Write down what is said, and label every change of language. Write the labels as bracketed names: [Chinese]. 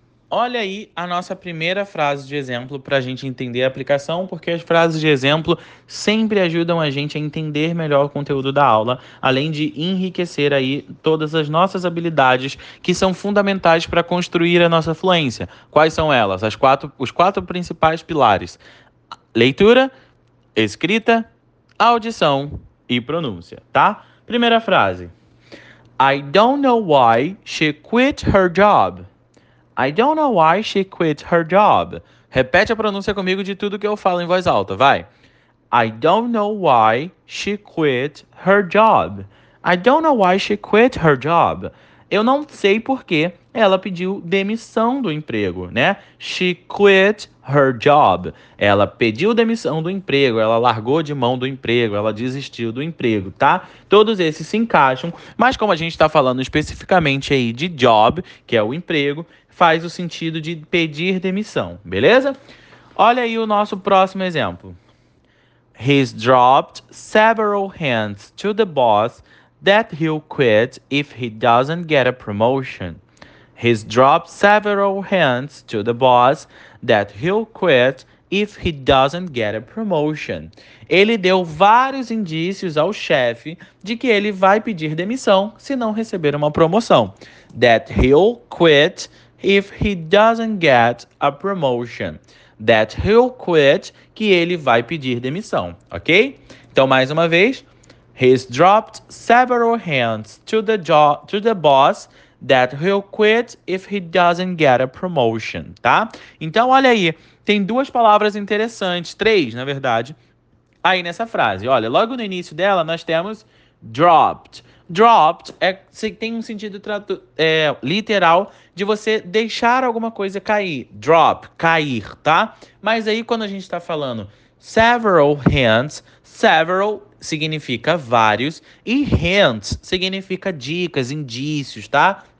[Portuguese] Olha aí a nossa primeira frase de exemplo para a gente entender a aplicação, porque as frases de exemplo sempre ajudam a gente a entender melhor o conteúdo da aula, além de enriquecer aí todas as nossas habilidades que são fundamentais para construir a nossa fluência. Quais são elas? Os quatro principais pilares: leitura, escrita, audição e pronúncia, tá? Primeira frase. [English] I don't know why she quit her job. I don't know why she quit her job. [Portuguese] Repete a pronúncia comigo de tudo que eu falo em voz alta, vai. [English] I don't know why she quit her job. I don't know why she quit her job. [Portuguese] Eu não sei por que ela pediu demissão do emprego, né? [English] She quit her job. [Portuguese] Ela pediu demissão do emprego, ela largou de mão do emprego, ela desistiu do emprego, tá? Todos esses se encaixam, mas como a gente está falando especificamente aí de job, que é o emprego, faz o sentido de pedir demissão, beleza? Olha aí o nosso próximo exemplo. [English] He's dropped several hints to the boss that he'll quit if he doesn't get a promotion. He's dropped several hints to the boss that he'll quit if he doesn't get a promotion. [Portuguese] Ele deu vários indícios ao chefe de que ele vai pedir demissão se não receber uma promoção. [English] That he'll quit if he doesn't get a promotion. That he'll quit, [Portuguese] que ele vai pedir demissão, ok? Então, mais uma vez. [English] He's dropped several hints to the boss that he'll quit if he doesn't get a promotion, tá? [Portuguese] Então, olha aí. Tem duas palavras interessantes, três, na verdade, aí nessa frase. Olha, logo no início dela, nós temos dropped. Dropped tem um sentido literal de você deixar alguma coisa cair. Drop, cair, tá? Mas aí, quando a gente está falando several hints, several significa vários, e hints significa dicas, indícios, tá?